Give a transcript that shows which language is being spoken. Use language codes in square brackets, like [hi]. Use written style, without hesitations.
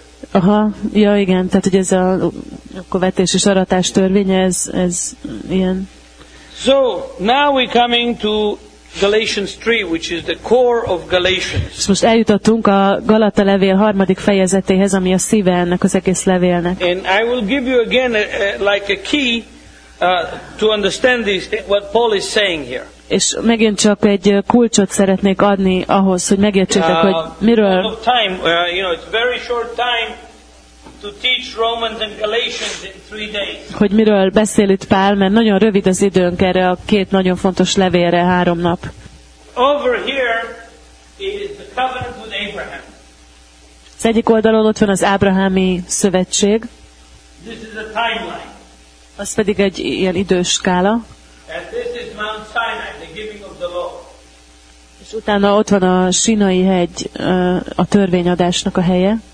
[hu] Aha, ja igen, tehát hogy ez a vetés és aratás törvénye, ez ilyen. [en] So now we're coming to Galatians 3, which is the core of Galatians. [hu] Most eljutottunk a Galata levél harmadik fejezetéhez, ami a szíve ennek az egész levélnek. [en] And I will give you again like a key to understand this, what Paul is saying here. [hu] És megint csak egy kulcsot szeretnék adni ahhoz, hogy megértsétek, hogy miről. [en] A lot of time, you know, it's very short time to teach Romans and Galatians in 3 days. [hu] Hogy miről beszél itt Pál, mert nagyon rövid az időnk erre a két nagyon fontos levélre, 3 nap. [en] Over here is the covenant with Abraham. [hu] Az egyik oldalon ott van az ábrahámi szövetség. [en] This is a timeline. [hu] Az pedig egy ilyen időskála. [en] And this is Mount Sinai, the giving of the law. [hu] És utána ott van a Sinai hegy, a törvényadásnak a helye.